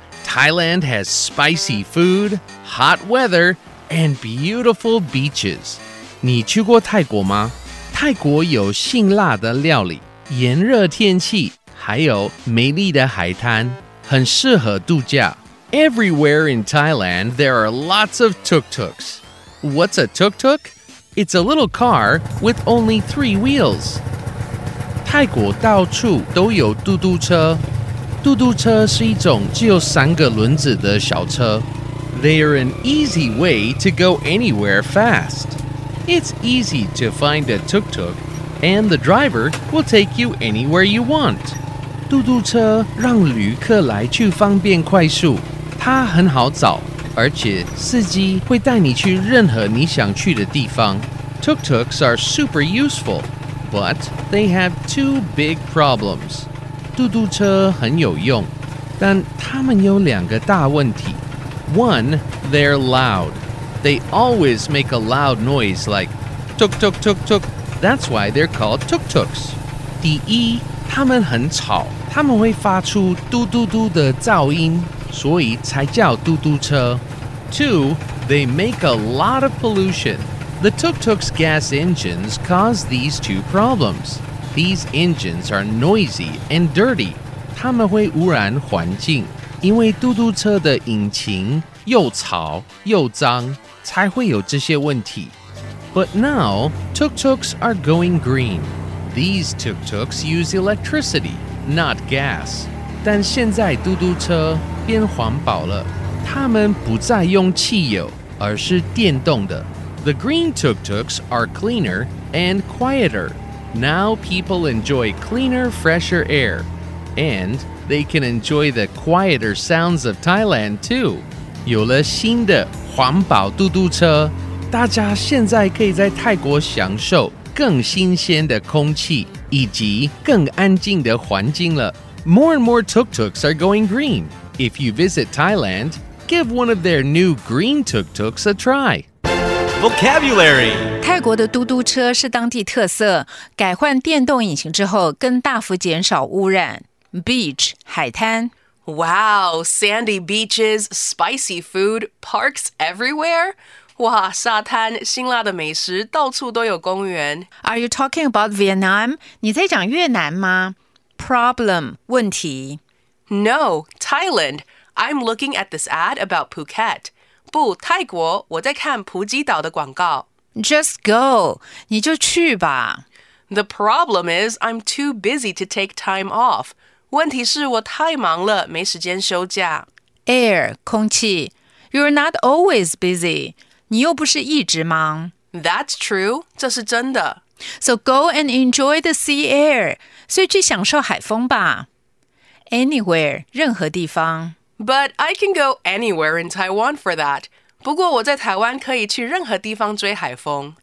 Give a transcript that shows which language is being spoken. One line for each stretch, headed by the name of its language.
English: Thailand has spicy food, hot weather, and beautiful beaches.
Chinese: 你去过泰国吗？泰国有辛辣的料理，炎热天气，还有美丽的海滩，很适合度假。
English: Everywhere in Thailand, there are lots of tuk-tuks. What's a tuk-tuk? It's a little car with only three wheels.
Chinese: 泰国到处都有嘟嘟车。嘟嘟车是一种只有三个轮子的小车。
English: They are an easy way to go anywhere fast. It's easy to find a tuk-tuk, and the driver will take you anywhere you want.
Chinese: 嘟嘟车让旅客来去方便快速。它很好找，而且司机会带你去任何你想去的地方。
English: Tuk-tuks are super useful, but they have two big problems.
Chinese: 嘟嘟车很有用，但它们有两个大问题。
English: One, they're loud. They always make a loud noise like tuk-tuk-tuk-tuk. That's why they're called tuk-tuks.
Chinese: 第一，它们很吵，它们会发出嘟嘟嘟的噪音。所以才叫嘟嘟车。
English: Two, they make a lot of pollution. The tuk-tuk's gas engines cause these two problems. These engines are noisy and dirty.
Chinese: 它们会污染环境，因为嘟嘟车的引擎又吵又脏，才会有这些问题。
English: But now, tuk-tuks are going green. These tuk-tuks use electricity, not gas.
Chinese: 但现在嘟嘟车变环保了，它们不再用汽油，而是电动的。
English: The green tuk-tuks are cleaner and quieter. Now people enjoy cleaner, fresher air. And they can enjoy the quieter sounds of Thailand too.
Chinese: 有了新的环保嘟嘟车，大家现在可以在泰国享受更新鲜的空气，以及更安静的环境了。
English: More and more tuk-tuks are going green. If you visit Thailand, give one of their new green tuk-tuks a try. Vocabulary.
Chinese: 泰国的嘟嘟车是当地特色，改换电动引擎之后更大幅减少污染。
English: Beach,
Chinese: 海滩。
English: Wow, sandy beaches, spicy food, parks everywhere.
Chinese: 哇，沙滩，辛辣的美食，到处都有公园。
English: Are you talking about Vietnam?
Chinese: 你在讲越南吗？
English: Problem,
Chinese: 问题。
English: No, Thailand. I'm looking at this ad about Phuket.
Chinese: 不，泰国，我在看普吉岛的广告。
English: Just go.
Chinese: 你就去吧。
English: The problem is I'm too busy to take time off.
Chinese: 问题是我太忙了，没时间休假。
English: Air,
Chinese: 空气。
English: You're not always busy.
Chinese: 你又不是一直忙。
English: That's true.
Chinese: 这是真的。
English: So go and enjoy the sea air.
Chinese: 所以去享受海风吧。
English: Anywhere,
Chinese: 任何地方。
English: But I can go anywhere in Taiwan for that.
Chinese: 不过我在台湾可以去任何地方追海风。